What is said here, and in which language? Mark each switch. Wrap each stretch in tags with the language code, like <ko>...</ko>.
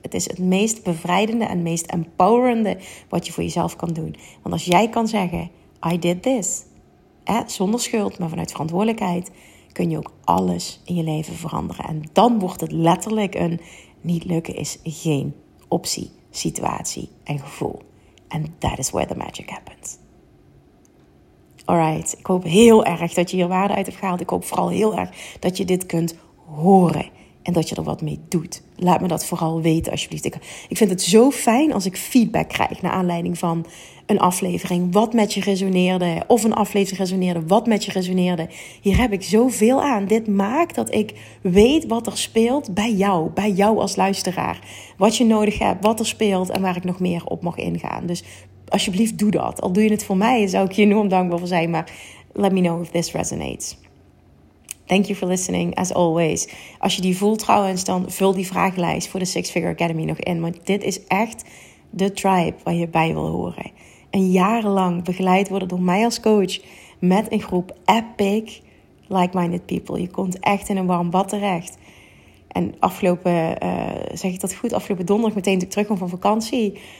<nl>Het is het meest bevrijdende en meest empowerende wat je voor jezelf kan doen. Want als jij kan zeggen,</nl> <en>I did this,</en> <nl>zonder schuld, maar vanuit verantwoordelijkheid, kun je ook alles in je leven veranderen. En dan wordt het letterlijk een niet lukken is geen optie, situatie en gevoel.</nl> <en>And that is where the magic happens.</en> <nl>Alright, ik hoop heel erg dat je hier waarde uit hebt gehaald. Ik hoop vooral heel erg dat je dit kunt horen en dat je er wat mee doet. Laat me dat vooral weten alsjeblieft. Ik vind het zo fijn als ik feedback krijg naar aanleiding van een aflevering. Wat met je resoneerde of een aflevering resoneerde, wat met je resoneerde. Hier heb ik zoveel aan. Dit maakt dat ik weet wat er speelt bij jou als luisteraar. Wat je nodig hebt, wat er speelt en waar ik nog meer op mag ingaan. Dus alsjeblieft doe dat. Al doe je het voor mij, zou ik je enorm dankbaar voor zijn. Maar</nl> <en>let me know if this resonates. Thank you for listening, as always.</en> <nl>Als je die voelt trouwens, dan vul die vragenlijst voor de Six Figure Academy nog in. Want dit is echt de tribe waar je bij wil horen. En jarenlang begeleid worden door mij als coach met een groep</nl> <en>epic like-minded people.</en> <nl>Je komt echt in een warm bad terecht. En afgelopen donderdag meteen terug van vakantie.</nl>